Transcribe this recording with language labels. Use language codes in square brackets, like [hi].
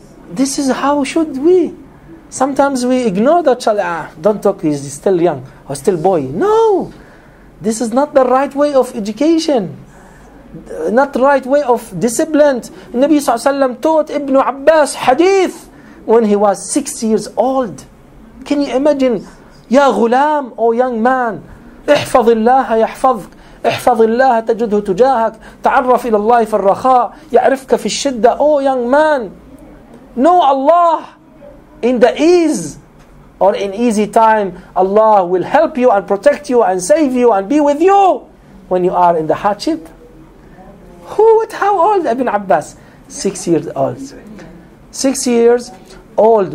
[en] This is how should we. Sometimes we ignore the child. Don't talk, he's still young or still boy. No! This is not the right way of education. Not the right way of discipline. Nabi Sallallahu Alaihi Wasallam taught Ibn Abbas hadith when he was 6 years old. Can you imagine? [ar] Ya ghulam, [en] O young man, [ar] احفظ الله يحفظك احفظ الله تجده تجاهك تعرف إلى الله في الرخاء يعرفك في الشدة. [en] O young man, know Allah in the ease. Or in easy time, Allah will help you and protect you and save you and be with you when you are in the hardship. How old Ibn Abbas? 6 years old. 6 years old.